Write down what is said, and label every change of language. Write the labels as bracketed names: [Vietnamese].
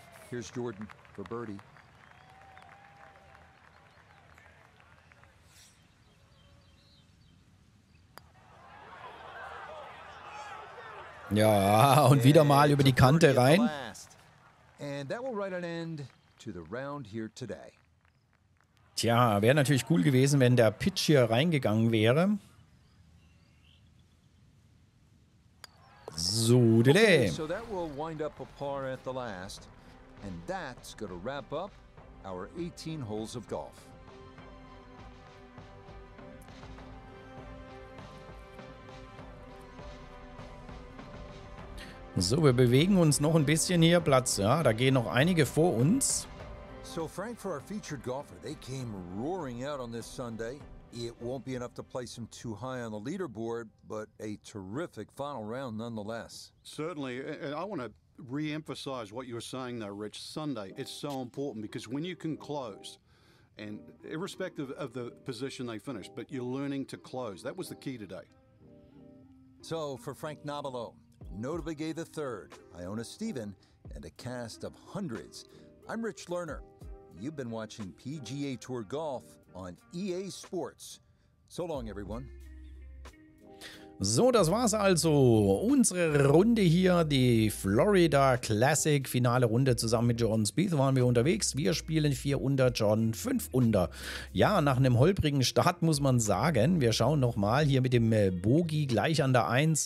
[English] Here's Jordan for birdie. [German] Ja, und wieder mal über die Kante rein. [English] And that will write an end to the round here today. [German] Tja, wäre natürlich cool gewesen, wenn der Pitch hier reingegangen wäre. So, okay, [English] so that will wind up a par at the last, and that's going to wrap up our 18 holes of golf. [German] So, wir bewegen uns noch ein bisschen hier, Platz, ja, da gehen noch einige vor uns. [English] So, Frank, for our featured golfer, they came roaring out on this Sunday. It won't be enough to place him too high on the leaderboard, but a terrific final round nonetheless. Certainly, and I want to re-emphasize what you were saying though, Rich. Sunday, it's so important because when you can close, and irrespective of the position they finish, but you're learning to close. That was the key today. So for Frank Nabilo, Nota Begay III, Iona Stephen, and a cast of hundreds, I'm Rich Lerner. You've been watching PGA Tour Golf on EA Sports. So long, everyone. [German] So, das war's also. Unsere Runde hier, die Florida Classic Finale Runde zusammen mit Jordan Spieth waren wir unterwegs. Wir spielen 4 unter, Jordan 5 unter. Ja, nach einem holprigen Start muss man sagen, wir schauen nochmal hier mit dem Bogie gleich an der 1.